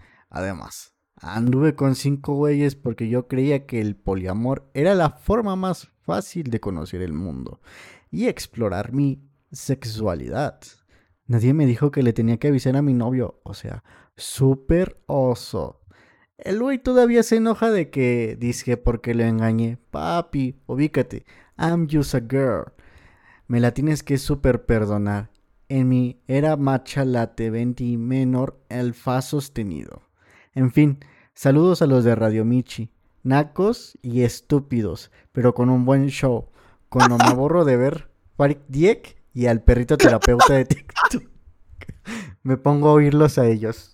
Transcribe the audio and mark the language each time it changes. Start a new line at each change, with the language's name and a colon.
Spanish: Además, anduve con 5 güeyes porque yo creía que el poliamor era la forma más fácil de conocer el mundo y explorar mi sexualidad. Nadie me dijo que le tenía que avisar a mi novio, o sea, súper oso. El güey todavía se enoja de que dizque porque lo engañé. Papi, ubícate,
English: I'm just a girl.
Spanish: Me la tienes que súper perdonar. En mi era macha latte 20 menor el fa sostenido. En fin, saludos a los de Radio Michi. Nacos y estúpidos, pero con un buen show. Cuando me aburro de ver Farid Dieck y al perrito terapeuta de TikTok, me pongo a oírlos a ellos.